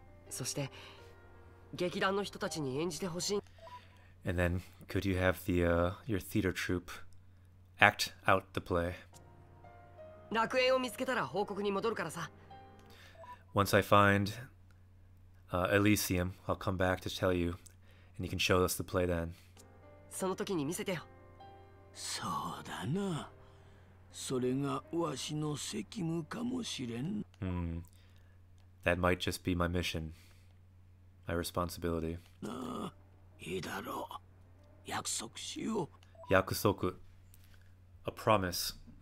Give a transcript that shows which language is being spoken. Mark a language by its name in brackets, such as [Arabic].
[Japanese] そして、劇団の人たちに演じてほしい。 [English] And then, could you have your theater troupe act out the play? [Japanese] 楽園を見つけたら報告に戻るからさ。 [English] Once I find Elysium, I'll come back to tell you, and you can show us the play then. [Japanese] その時に見せてよ。そうだな。それがわしの責務かもしれん。 [English] That might just be my mission. My responsibility. [Japanese] いいだろう。約束しよう。約束。 [English] A promise.